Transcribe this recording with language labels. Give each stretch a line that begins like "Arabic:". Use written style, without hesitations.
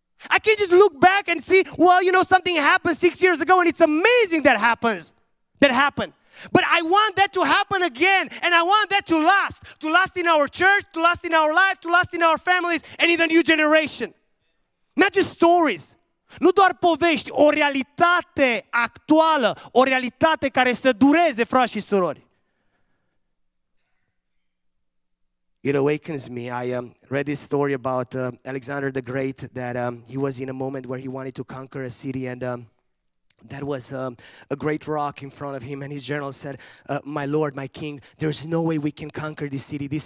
English: I can't just look back and see, well, you know, something happened 6 years ago and it's amazing that happened. But I want that to happen again and I want that to last in our church, to last in our life, to last in our families and in the new generation. Not just stories,
Romanian: Nu doar povești, o realitate actuală, o realitate care să dureze, frați și surori.
English: It awakens me. I read this story about Alexander the Great that he was in a moment where he wanted to conquer a city and there was a great rock in front of him, and his general said, my lord, my king, there's no way we can conquer this city.